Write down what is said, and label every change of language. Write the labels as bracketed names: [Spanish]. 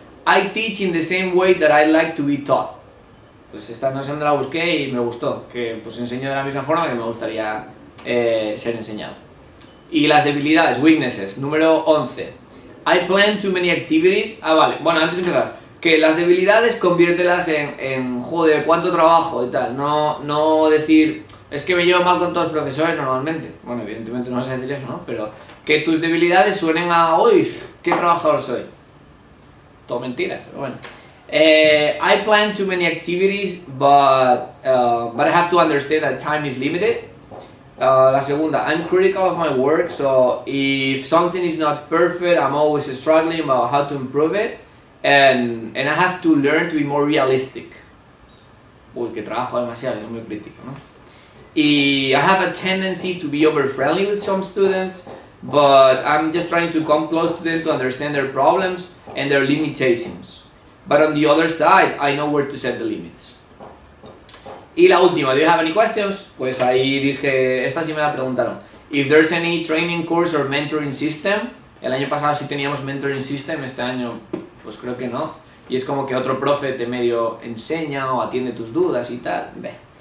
[English] I teach in the same way that I like to be taught. [Spanish] Pues esta no sé dónde la busqué y me gustó. Que pues enseño de la misma forma que me gustaría ser enseñado. Y las debilidades, weaknesses. Número 11. [English] I plan too many activities. [Spanish] Ah, vale. Bueno, antes de empezar. Que las debilidades, conviértelas en joder, cuánto trabajo y tal. No decir... Es que me llevo mal con todos los profesores normalmente. Bueno, evidentemente no vas a decir eso, ¿no? Pero que tus debilidades suenen a... ¡Uy! ¡Qué trabajador soy! Todo mentira, pero bueno. [English] I plan too many activities, but I have to understand that time is limited. [Spanish] La segunda. [English] I'm critical of my work, so if something is not perfect, I'm always struggling about how to improve it. And I have to learn to be more realistic. [Spanish] Uy, que trabajo demasiado, soy muy crítico, ¿no? [English] Y I have a tendency to be over-friendly with some students, but I'm just trying to come close to them to understand their problems and their limitations. But on the other side, I know where to set the limits. [Spanish] Y la última, [English] do you have any questions? [Spanish] Pues ahí dije, esta sí me la preguntaron. [English] If there's any training course or mentoring system, [Spanish] el año pasado sí teníamos mentoring system, este año pues creo que no. Y es como que otro profe te medio enseña o atiende tus dudas y tal, ve.